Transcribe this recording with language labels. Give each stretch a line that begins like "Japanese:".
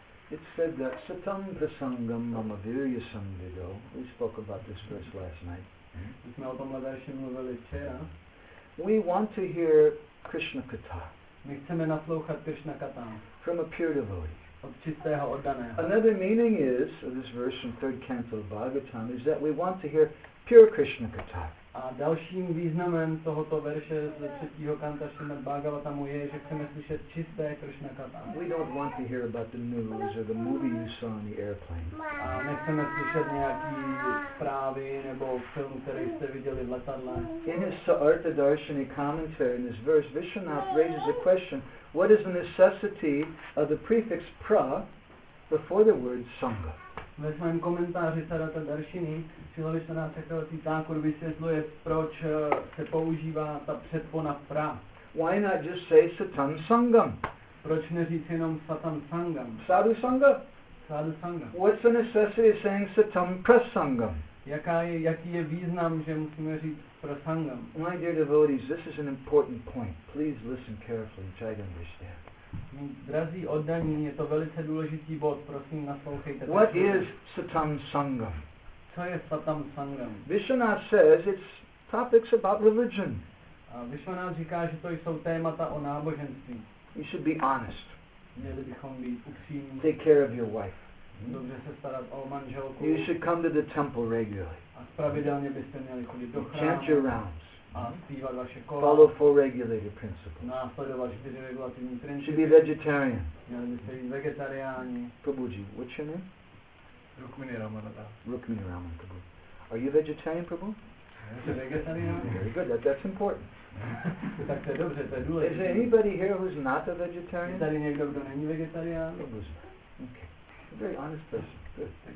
English: It said that
Sanskrit: satam prasangam mama viryasam vido.
English: We spoke about this verse last night.
Czech: My jsme o tomhle verši mluvili včera.
English: We want to hear Krishna katha.
Czech: My chceme naslouchat Krishna katha.
English: From a pure devotee.
Czech: Od čistého oddaného.
English: Another meaning is, of this verse from third canto of Bhagavatam, is that we want to hear pure Krishna katha.
Czech: A dalším významem tohoto verše ze třetího kanta Srimad Bhagavatamu je, že chceme slyšet čisté Krishna katha.
English: We don't want to hear about the news or the movie you saw on the airplane.
Czech: A nechceme slyšet nějaký zprávy nebo film, který jste viděli v letadle.
English: In his Saartha Darshani commentary in this verse, Vishwanath raises a question, what is the necessity of the prefix pra before the word sangha?
Czech: Ve svém komentáři Saartha Darshani Srila Vishwanatha Chakravarti Thakur vysvětluje, proč se používá ta předpona pra.
English: Why not just say satam sangam?
Czech: Proč neříct jenom satam sangam?
Sanskrit: Sadhu sangha? Sadhu sangha.
English: What's the necessity of saying satam prasangam?
Czech: Jaký je význam, že musíme říct prasangam?
English: My dear devotees, this is an important point. Please listen carefully and try to understand.
Czech: Drazí oddaní, je to velice důležitý bod, prosím naslouchejte.
English: What is satam sangam?
Czech: Co je satam sangam?
English: Vishwanath says it's topics about religion.
Czech: Vishwanath říká, že to jsou témata o náboženství.
English: You should be honest.
Czech: Měli bychom být upřímní.
English: Take care of your wife.
Czech: Dobře se starat o manželku.
English: You should come to the temple regularly.
Czech: A pravidelně byste měli chodit do chrámu.
English: Chant your rounds.
Czech: A zpívat vaše kola.
English: Follow four regulated principles.
Czech: Následovat čtyři regulativní principy.
English: You should be vegetarian.
Czech: Měli byste být vegetariáni.
English: Prabhuji, what's your name? Rukmini Ramananda. Rukmini Ramananda Prabhu. Are you a vegetarian, Prabhu? Very good, that's important. Is there anybody here who's not a vegetarian? Prabhu's not. Okay. A very honest person. Good.